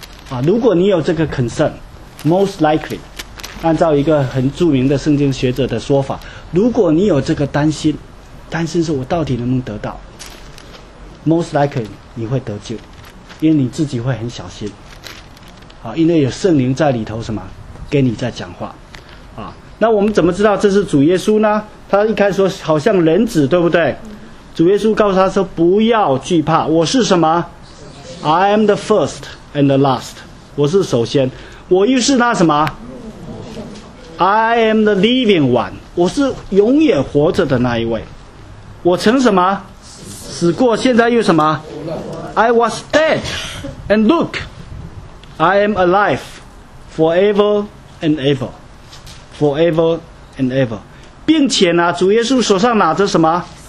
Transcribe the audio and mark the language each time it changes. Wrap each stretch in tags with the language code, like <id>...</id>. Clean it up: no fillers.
<zh>啊，如果你有这个 concern， most likely， 按照一个很著名的圣经学者的说法，如果你有这个担心，担心是我到底能不能得到， most likely 你会得救，因为你自己会很小心，啊，因为有圣灵在里头什么跟你在讲话，啊，那我们怎么知道这是主耶稣呢？他一开始说好像人子，对不对？主耶稣告诉他说不要惧怕，我是什么？</zh> <en>I am the first and the last，</en> <zh>我是首先，我又是那什么？</zh> <en>I am the living one，</en> <zh>我是永远活着的那一位，我曾什么？死过，现在又什么？</zh> <en>I was dead and look I am alive forever and ever forever and ever，</en> <zh>并且呢，主耶稣手上拿着什么？</zh>